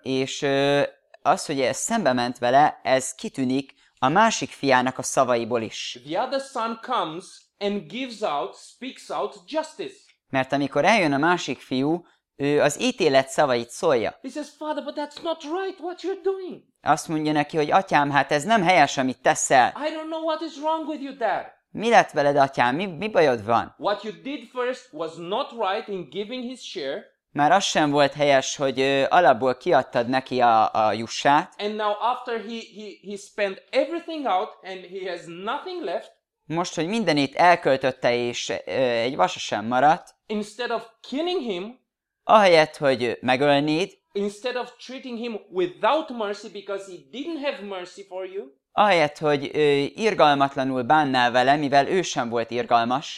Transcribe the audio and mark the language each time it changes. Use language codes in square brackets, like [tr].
[hu] És az, hogy ez szembe ment vele, ez kitűnik a másik fiának a szavaiból is. [en] The other son comes and gives out, speaks out justice. [hu] Mert amikor eljön a másik fiú, ő az ítélet szavait szólja. [en] He says, Father, but that's not right what you're doing. [hu] Azt mondja neki, hogy atyám, hát ez nem helyes, amit teszel. [en] I don't know what is wrong with you, Dad. [hu] Mi lett veled, atyám? Mi bajod van? [en] What you did first was not right in giving his share. [hu] Már az sem volt helyes, hogy alapból kiadtad neki a jussát. [en] And now after he spent everything out and he has nothing left. [hu] Most, hogy mindenét elköltötte, és egy vasa sem maradt. [en] Instead of killing him, [hu] ahelyett, hogy megölnéd, [en] instead of treating him without mercy because he didn't have mercy for you, [hu] ahelyett, hogy irgalmatlanul bánnál vele, mivel ő sem volt irgalmas,